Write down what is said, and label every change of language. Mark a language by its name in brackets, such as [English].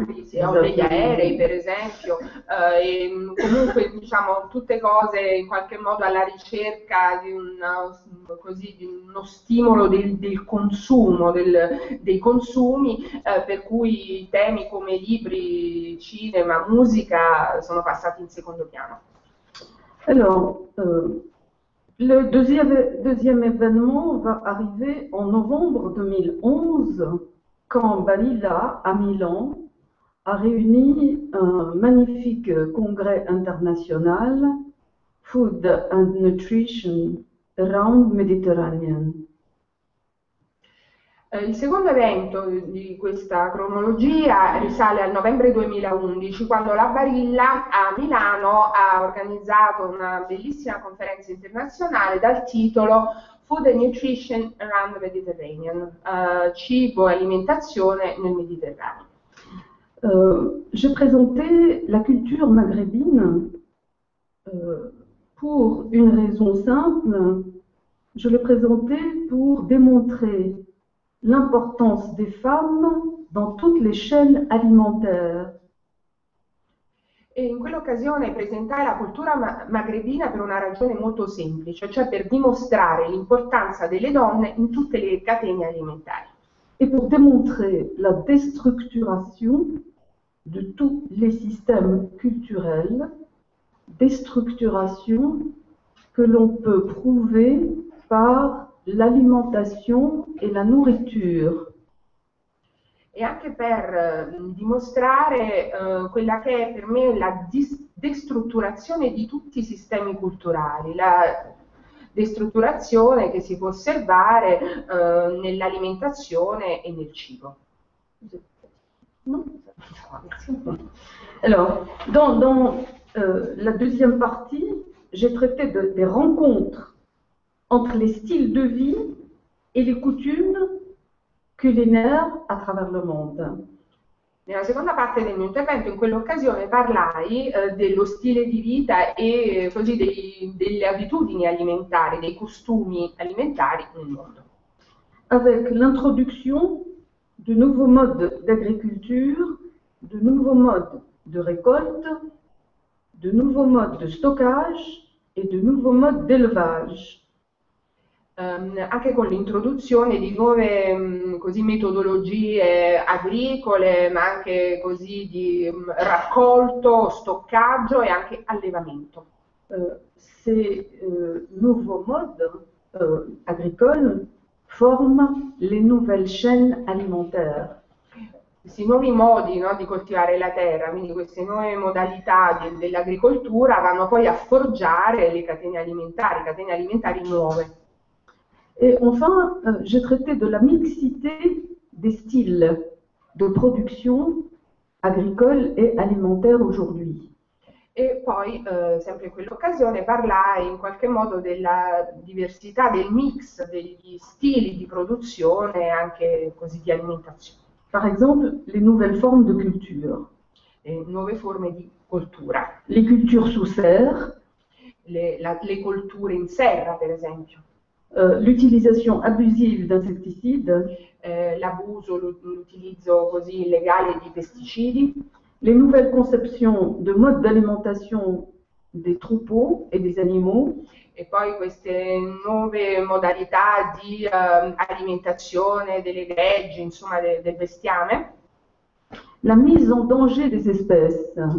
[Italian] altri, sì, degli aerei per esempio, e comunque diciamo tutte cose in qualche modo alla ricerca di così, di uno stimolo del consumo, dei consumi, per cui temi come libri, cinema, musica sono passati in secondo piano. [French] Alors, le deuxième événement va arriver en novembre 2011, quand Balilla, à Milan, a réuni un magnifique congrès international, Food and Nutrition Round Mediterranean. [Italian] Il secondo evento di questa cronologia risale al novembre 2011, quando la Barilla a Milano ha organizzato una bellissima conferenza internazionale dal titolo Food and Nutrition Around the Mediterranean, cibo e alimentazione nel Mediterraneo. [French] J'ai présenté la culture maghrébine pour une raison simple. Je l'ai présentée pour démontrer l'importance des femmes dans toutes les chaînes alimentaires. [Italian] E in quell'occasione presentai la cultura maghrebina per una ragione molto semplice, cioè per dimostrare l'importanza delle donne in tutte le catene alimentari. [French] Et pour démontrer la déstructuration de tous les systèmes culturels, déstructuration que l'on peut prouver par l'alimentation et la nourriture. [Italian] E anche per dimostrare quella che è per me la destrutturazione di tutti i sistemi culturali, la destrutturazione che si può osservare nell'alimentazione e nel cibo. [French] Non. Alors, dans la deuxième partie, j'ai traité des rencontres entre les styles de vie et les coutumes culinaires à travers le monde. [Italian] Nella seconda parte del mio intervento, in quell'occasione parlai dello stile di vita e così delle abitudini alimentari, dei costumi alimentari nel mondo. [French] Avec l'introduction de nouveaux modes d'agriculture, de nouveaux modes de récolte, de nouveaux modes de stockage [Italian] e di nuovi modi di elevaggio, anche con l'introduzione di nuove così, metodologie agricole, ma anche così di raccolto, stoccaggio e anche allevamento. [French] Ces nouveaux modes agricoles forment les nouvelles chaînes alimentaires. [Italian] Questi nuovi modi, no, di coltivare la terra, quindi queste nuove modalità dell'agricoltura vanno poi a forgiare le catene alimentari nuove. [French] Et enfin, j'ai traité de la mixité des styles de production agricole et alimentaire aujourd'hui. [Italian] E poi, sempre in quell'occasione, parlai in qualche modo della diversità, del mix degli stili di produzione e anche così di alimentazione. [French] Par exemple, les nouvelles formes de culture. [Italian] Le nuove forme di coltura. [French] Les cultures sous serre. [Italian] Le colture in serra, per esempio. [French] L'utilisation abusive d'insecticides. [Italian] L'abuso, l'utilizzo così illegale di pesticidi. [French] Les nouvelles conceptions de mode d'alimentation des troupeaux et des animaux. [Italian] E poi queste nuove modalità di alimentazione delle greggi, insomma, del bestiame. [French] La mise en danger des espèces.